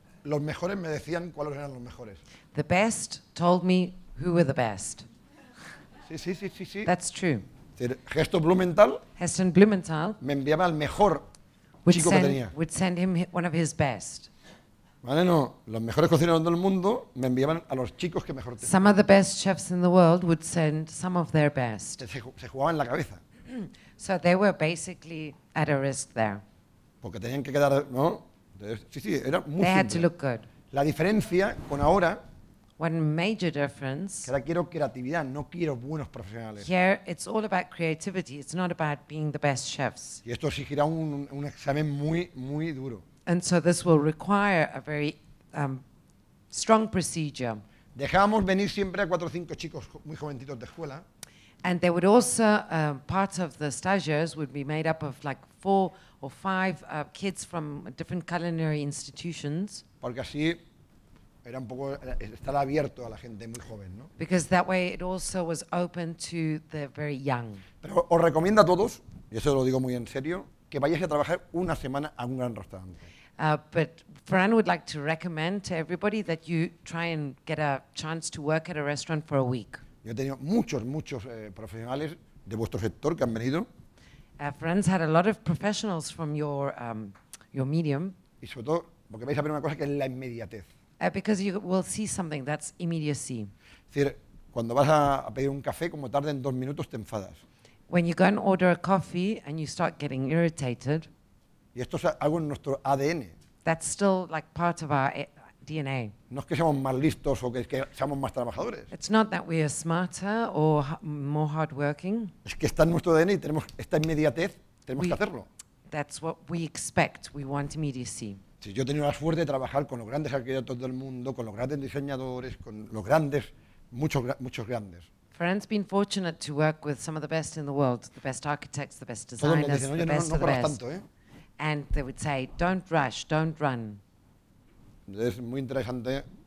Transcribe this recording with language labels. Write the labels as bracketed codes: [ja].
[es] Los mejores me decían cuáles eran los mejores. [en] The best told me who were the best. [es] Sí, sí, sí, sí, sí. [en] That's true. [es] Gesto Blumenthal, [en] Heston Blumenthal [es] me enviaba al mejor [en] would [es] chico [en] send, [es] que tenía. [en] Would send him one of his best. [es] Vale, no. Los mejores cocineros del mundo me enviaban a los chicos que mejor tenían. [en] Some of the best chefs in the world would send some of their best. [es] Se jugaban la cabeza. [en] So they were basically at a risk there. [es] Porque tenían que quedar, ¿no? Sí, sí, era muy [en] simple. They had to look good. [es] La diferencia con ahora. [en] One major difference. [es] Ahora quiero creatividad, no quiero buenos profesionales. [en] Here it's all about creativity. It's not about being the best chefs. [es] Y esto exigirá un examen muy muy duro. [en] And so this will require a very strong procedure. [es] Dejábamos venir siempre a 4 o 5 chicos muy jovencitos de escuela. [en] And they would also part of the stagiaires would be made up of like 4 or 5 kids from different culinary institutions. [es] Porque así era un poco estar abierto a la gente muy joven, ¿no? [en] Because that way it also was open to the very young. [es] Pero os recomiendo a todos, y eso lo digo muy en serio, que vayáis a trabajar una semana a un gran restaurante. [en] But Ferran would like to recommend to everybody that you try and get a chance to work at a restaurant for a week. [es] Yo he tenido muchos profesionales de vuestro sector que han venido. [en] Ferran's had a lot of professionals from your medium. [es] Y sobre todo porque vais a ver una cosa que es la inmediatez. [en] Because you will see something that's immediacy. [es] Cuando vas a pedir un café, como tarde en 2 minutos, te enfadas. [en] When you go and order a coffee and you start getting irritated. [es] Y esto es algo en nuestro ADN. [en] That's still like part of our DNA. [es] No es que seamos más listos o que seamos más trabajadores. [en] It's not that we are smarter or more hardworking. [es] Es que está en nuestro ADN y tenemos esta inmediatez, tenemos que hacerlo. [en] That's what we expect. We want immediacy. [es] Sí, yo he tenido la suerte de trabajar con los grandes arquitectos del mundo, con los grandes diseñadores, con los grandes, muchos grandes. [en] Ferran's been fortunate to work with some of the best in the world, the best architects, the best designers, [es] dicen, [en] the best [es] no [en] of the best. [es] No corras tanto, ¿eh? [en] And they would say, don't rush, don't run. [es] Es muy interesante.